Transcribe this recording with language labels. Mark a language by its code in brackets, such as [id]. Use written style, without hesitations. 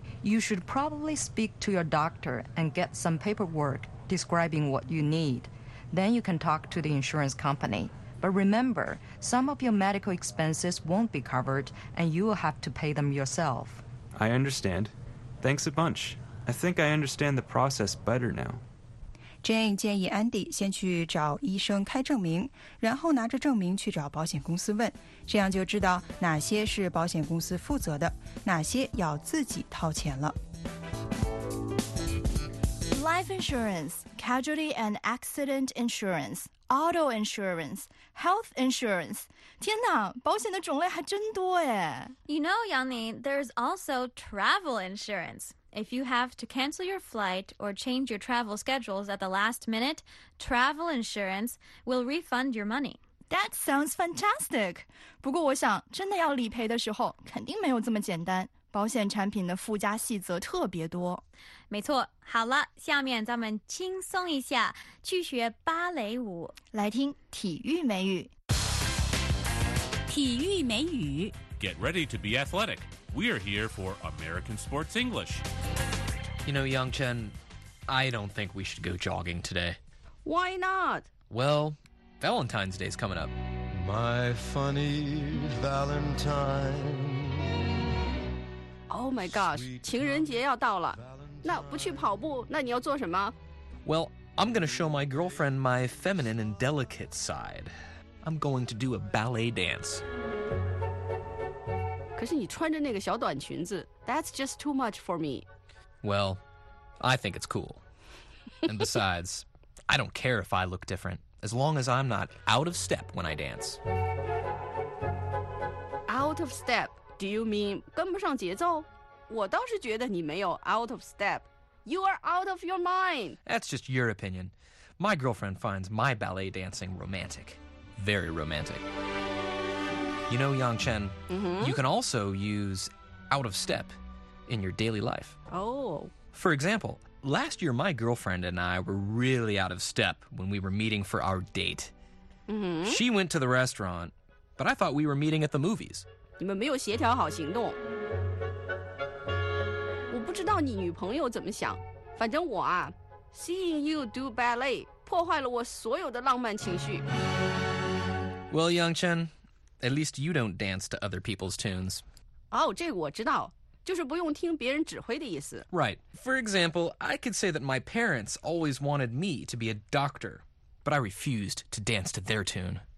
[en] You should probably speak to your doctor and get some paperwork describing what you need. Then you can talk to the insurance company. But remember, some of your medical expenses won't be covered and you will have to pay them yourself. I understand. Thanks a bunch. I think I understand the process better now. [zh] Jane 建议 Andy 先去找医生开证明，然后拿着证明去找保险公司问，这样就知道哪些是保险公司负责的，哪些要自己掏钱了。 [en] Life insurance, casualty and accident insurance, auto insurance, health insurance. [zh] 天哪，保险的种类还真多耶。 [en] You know, Yanni, there's also travel insurance. If you have to cancel your flight or change your travel schedules at the last minute, travel insurance will refund your money. That sounds fantastic. [zh] 不过我想真的要理赔的时候肯定没有这么简单。保险产品的附加细则特别多。没错。好了，下面咱们轻松一下，去学芭蕾舞。来听体育美语。体育美语。 [en] Get ready to be athletic. We are here for American Sports English. You know, Yangchen, I don't think we should go jogging today. Why not? Well, Valentine's Day is coming up. My funny Valentine. Oh my gosh, [zh] 情人节要到了。那不去跑步，那你要做什么？ [en] Well, I'm going to show my girlfriend my feminine and delicate side. I'm going to do a ballet dance. [zh] 可是你穿着那个小短裙子 [en] That's just too much for me. Well, I think it's cool. And besides, I don't care if I look different, as long as I'm not out of step when I dance. Out of step? Do you mean [zh] 跟不上节奏？我倒是觉得你没有 [en] out of step. You are out of your mind. That's just your opinion. My girlfriend finds my ballet dancing romantic. Very romantic. You know, Yangchen,、 mm-hmm. you can also use out of step in your daily life. Oh. For example, last year my girlfriend and I were really out of step when we were meeting for our date.、 Mm-hmm. She went to the restaurant, but I thought we were meeting at the movies. [zh] 你们没有协调好行动。我不知道你女朋友怎么想。反正我啊 , [en] seeing you do ballet [zh] 破坏了我所有的浪漫情绪。 [en] Well, Yangchen,At least you don't dance to other people's tunes. [zh] Oh, 这个我知道，就是不用听别人指挥的意思。 [en] Right. For example, I could say that my parents always wanted me to be a doctor, but I refused to dance to their tune.